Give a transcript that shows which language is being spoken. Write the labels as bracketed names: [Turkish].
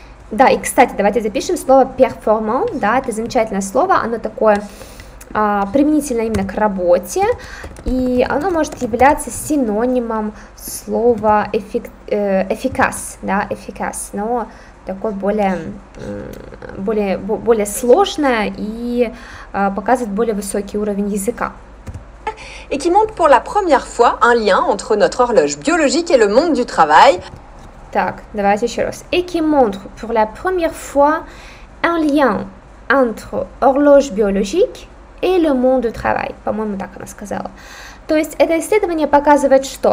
[Russian] Да, и кстати, давайте запишем слово performant, да, это замечательное слово, оно такое применительно именно к работе, и оно может являться синонимом слова эффикас, да, эффикас, но такое более сложное и показывает более высокий уровень языка. [French] Et qui montre pour la première fois un lien entre notre horloge biologique et le monde du travail. [Russian] Так, давайте еще раз. [French] Et qui montre pour la première fois un lien entre horloge biologique et le monde du travail. [Russian] По-моему, так она сказала. То есть это исследование показывает что?